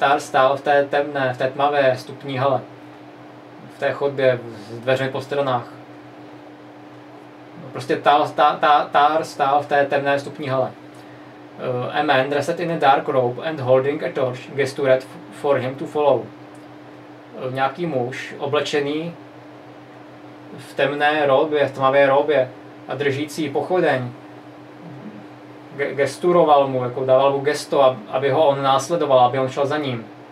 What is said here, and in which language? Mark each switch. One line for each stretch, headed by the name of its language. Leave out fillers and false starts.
Czech: Tar stál v té tmavé vstupní hale. V té chodbě, s dveřmi po stranách. Prostě Tar stál v té temné vstupní hale.
English: A man dressed in a dark robe and holding a torch gestured for him to follow.
Czech: Nějaký muž, oblečený v temné robě, v tmavé robě a držící pochodeň, gesturoval mu, jako dával mu gesto, aby ho on následoval, aby on šel za ním.